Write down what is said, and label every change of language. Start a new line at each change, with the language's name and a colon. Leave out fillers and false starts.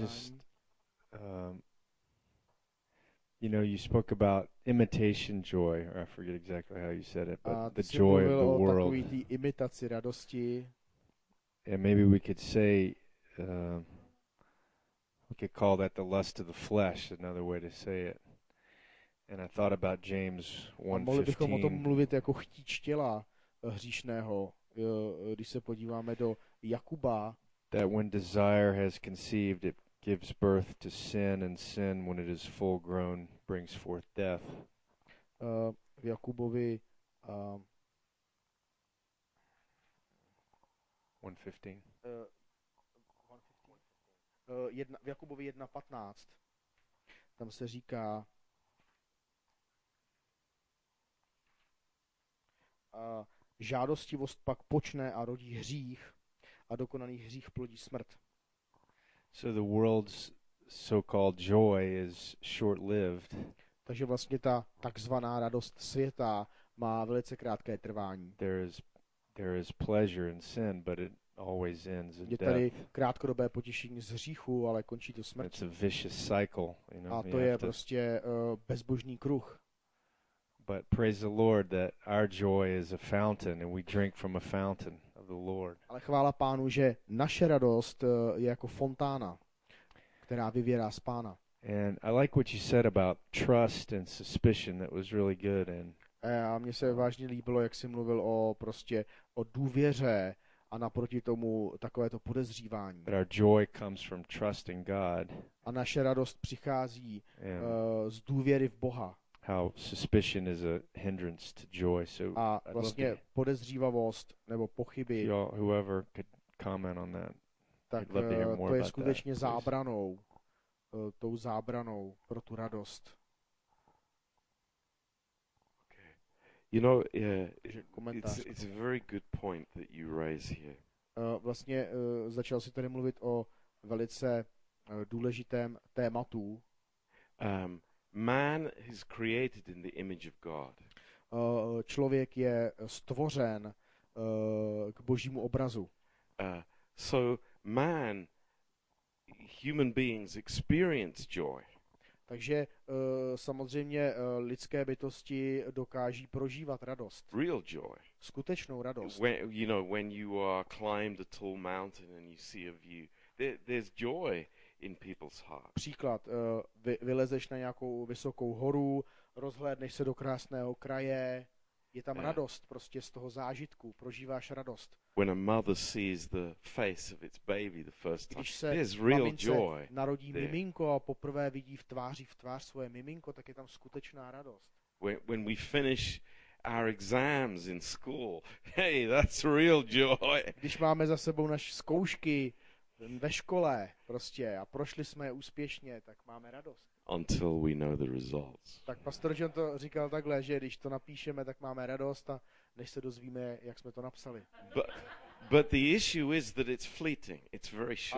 English: Just, you know, you spoke about imitation joy, or I forget exactly how you said it, but the joy of the world.
Czech: Takový tý imitaci radosti.
English: And maybe we could say, we could call that the lust of the flesh, another way to say it. And I thought about James 1:15.
Czech: Mohli bychom o tom mluvit jako chtíč těla hříšného. Když se podíváme do Jakuba,
English: that when desire has conceived, it gives birth to sin, and sin, when it is full grown, brings forth death.
Czech: V Jakubovi 1:15, tam se říká, žádostivost pak počne a rodí hřích, a dokonaný hřích plodí smrt.
English: So the world's so-called joy is short-lived.
Czech: Takže vlastně ta takzvaná radost světa má velice krátké trvání.
English: There is pleasure in sin, but it always ends in death.
Czech: Je tady krátkodobé potěšení z hříchu, ale končí to smrtí.
English: It's a vicious cycle, you know.
Czech: A to je prostě bezbožný kruh.
English: But praise the Lord that our joy is a fountain and we drink from a fountain of the Lord.
Czech: Ale chvála Pánu, že naše radost je jako fontána, která vyvírá z Pána.
English: And I like what you said about trust and suspicion, that was really good. And
Czech: a mně se vážně líbilo, jak jsi mluvil o prostě o důvěře a naproti tomu takové to podezřívání.
English: But our joy comes from trusting God.
Czech: A naše radost přichází z důvěry v Boha.
English: How suspicion is a hindrance to joy. So
Czech: a vlastně podezřívavost nebo pochyby.
English: So whoever could comment on that.
Czech: Tak to je skutečně zábranou, tou zábranou pro tu radost.
English: Okay. You know, it's a very good point that you raise here.
Czech: Vlastně začal si tady mluvit o velice důležitém tématu.
English: Man is created in the image of God.
Czech: Člověk je stvořen k Božímu obrazu.
English: So man, human beings experience joy.
Czech: Takže samozřejmě lidské bytosti dokáží prožívat radost.
English: Real joy.
Czech: Skutečnou radost.
English: When, you know, when you are climbed a tall mountain and you see a view, there's joy. In people's heart.
Czech: Příklad, vylezeš na nějakou vysokou horu, rozhlédneš se do krásného kraje, je tam radost prostě z toho zážitku, prožíváš radost.
English: When a mother sees the face of its baby the first time, there's real joy.
Czech: Když se mamince narodí miminko a poprvé vidí v tvář svoje miminko, tak je tam skutečná radost.
English: When we finish our exams in school, hey, that's real joy.
Czech: Když máme za sebou naše zkoušky ve škole prostě a prošli jsme je úspěšně, tak máme radost.
English: Until we know the results.
Czech: Tak pastor John to říkal takhle, že když to napíšeme, tak máme radost, a než se dozvíme, jak jsme to napsali.
English: But the issue is that it's fleeting. It's very short.